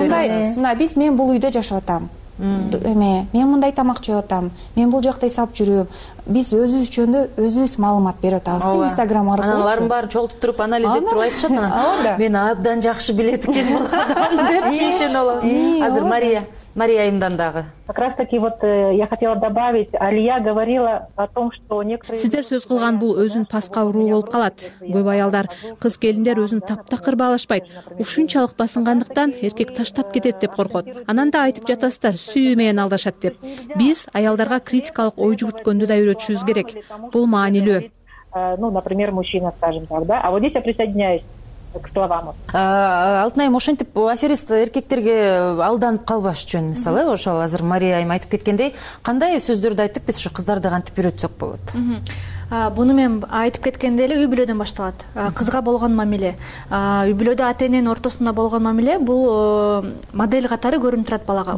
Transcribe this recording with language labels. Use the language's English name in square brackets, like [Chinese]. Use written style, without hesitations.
[Kyrgyz] Мындай мына биз мен бул үйдө жашап атам, эме мен мындай тамак жеп атам, мен бул жакта эс алып жүрөм. Биз өзүбүз жөнүндө өзүбүз маалымат берип атабыз да инстаграм аркылуу. Анан алардын баарын чогултуп туруп анализдеп туруп айтышат, анан мен абдан жакшы билет экен бул адам депчи ишенип алабыз. Азыр Мария айымдан дагы. [Russian] Как раз таки вот я хотела добавить, Алия говорила о том, что некоторые... [Kyrgyz] Сиздер сөз кылган бул өзүн паска уруу болуп калат. Көп аялдар, кыз келиндер өзүн таптакыр баалашпайт. Ушунчалык басынгандыктан эркек таштап кетет деп коркот. Анан да айтып жатасыздар, сүйүү менен алдашат деп. Биз аялдарга критикалык ой жүгүрткөндү да үйрөтүшүбүз керек. Бул маанилүү. [Russian] Ну, например, мужчина, скажем так, да? А вот здесь я присоединяюсь. [Kyrgyz] Алтынайым, ошентип аферист эркектерге алданып калбаш үчүн мисалы ошол азыр Мария айым айтып кеткендей кандай сөздөрдү айтып биз ушу кыздарды кантип үйрөтсөк болот? Буну мен айтып кеткендей эле үй бүлөдөн башталат. Кызга болгон мамиле, үй бүлөдө ата эненин ортосунда болгон мамиле бул модель катары көрүнүп турат балага.